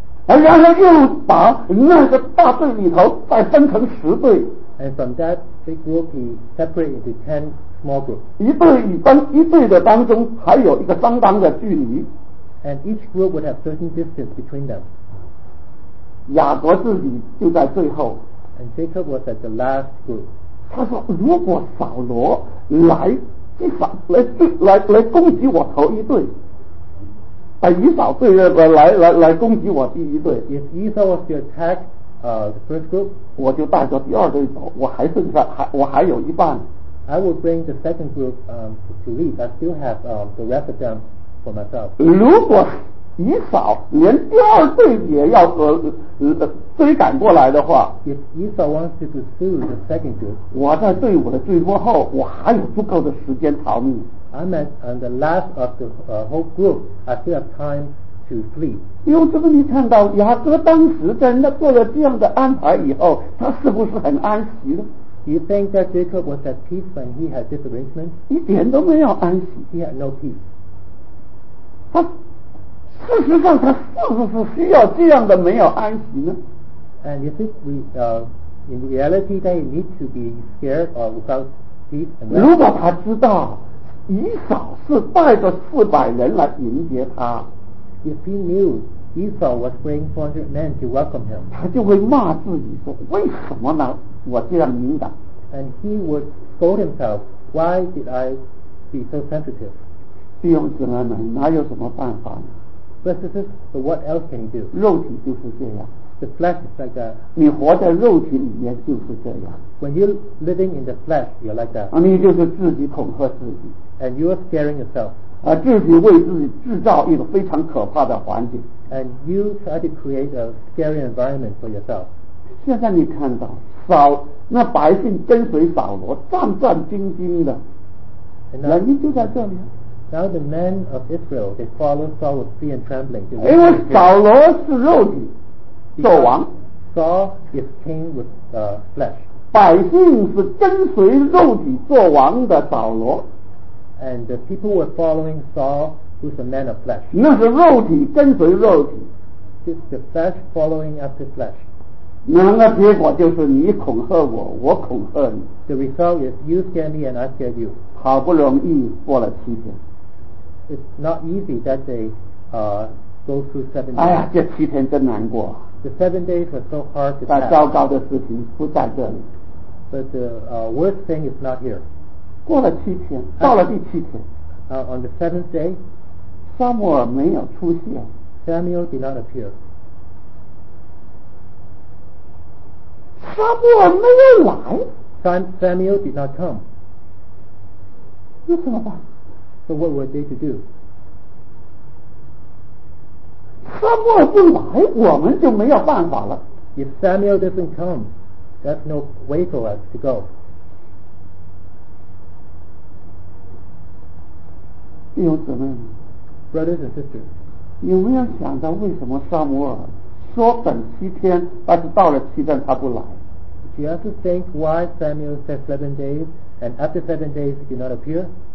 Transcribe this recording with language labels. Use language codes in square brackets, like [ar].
[zh] 然后又把那个大队里头再分成十队。 [en] And from that big group he separated into 10 small groups. [zh] 一队的当中还有一个相当的距离。 [en] And each group would have certain distance between them. [zh] 雅各自己就在最后。 [en] And Jacob was at the last group. [zh] 他说如果扫罗来击扫 来攻击我头一队，以扫队来攻击我第一队。 [en] If Esau was to attack the first group, [zh] 我就带着第二队走，我还剩下我还有一半。 [en] I would bring the second group to leave. I still have the rest of them for myself. [zh] 如果以扫连第二队也要追赶过来的话， [en] If Esau wants to pursue the second group, [zh] 我在队伍的最末后我还有足够的时间逃命。 [en] I'm at the last of the whole group. I still have time to flee. [zh] 因为这个你看到雅各当时在那做了这样的安排以后，他是不是很安息呢？ [en] You think that Jacob was at peace when he had this arrangement? [zh] 一点都没有安息。 [en] He had no peace. [zh] 事实上他是不是需要这样的没有安息呢？ [en] And is it in reality that he needs to be scared or without peace and rest? [zh] 如果他知道以扫是带着四百人来迎接他， [en] If he knew Esau was bringing 400 men to welcome him, [zh] 他就会骂自己说为什么呢我这样敏感。 [en] And he would scold himself, why did I be so sensitive? [zh] 弟兄姊妹们，哪有什么办法呢？ [en] But what else can you do? [zh] 肉体就是这样。 [en] The flesh is like that. [zh] 你活在肉体里面就是这样。 [en] When you're living in the flesh, you're like that. [zh] 你就是自己恐吓自己。 [en] And you are scaring yourself. [zh] 自己为自己制造一个非常可怕的环境。 [en] And you try to create a scary environment for yourself. [zh] 现在你看到，扫，那百姓跟随扫罗，战战兢兢的。原因就在这里。 [en] Now the men of Israel, they follow Saul with fear and trembling. [zh] 因为扫罗是肉体，做王。 [en] Saul is king with flesh. [zh] 百姓是跟随肉体做王的扫罗。 [en] And the people were following Saul, who's a man of flesh. [zh] 那是肉体跟随肉体。 [en] It's the flesh following after flesh. [zh] 那结果就是你恐吓我，我恐吓你。 [en] The result is you scare me and I scare you. [zh] 好不容易过了七天。 [en] It's not easy that they go through 7 days. [zh] 哎呀，这七天真难过。 [en] The 7 days were so hard to pass. [zh] 但糟糕的事情不在这里。 [en] But the worst thing is not here. [zh] 过了七天，到了第七天。 [en] On the seventh day, [zh] Samuel 没有出现。 [en] Samuel did not appear. [zh] Samuel 没有来。 [en] Samuel did not come. [zh] 那怎么办？ [en] So what were they to do? [zh] Samuel 不来，我们就没有办法了。 [en] If Samuel doesn't come, that's no way for us to go. [zh] 弟兄姊妹 [en] brothers and sisters, [zh] 有没有想到为什么撒母耳说等七天，但是到了七天他不来？ [en] Do you have to think why Samuel said 7 days, and after 7 days he did not appear?